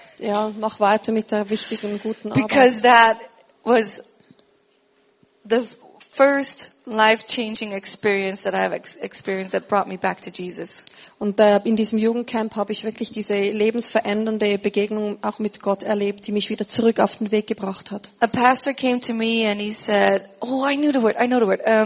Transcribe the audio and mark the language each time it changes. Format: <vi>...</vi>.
<de>Ja, mach weiter mit der wichtigen guten Arbeit.</de> <en>Because that was the first life-changing experience that I've experienced that brought me back to Jesus.</en> <de>Und in diesem Jugendcamp habe ich wirklich diese lebensverändernde Begegnung auch mit Gott erlebt, die mich wieder zurück auf den Weg gebracht hat.</de> <en>A pastor came to me and he said, "Oh, I knew the word. I know the word."</en>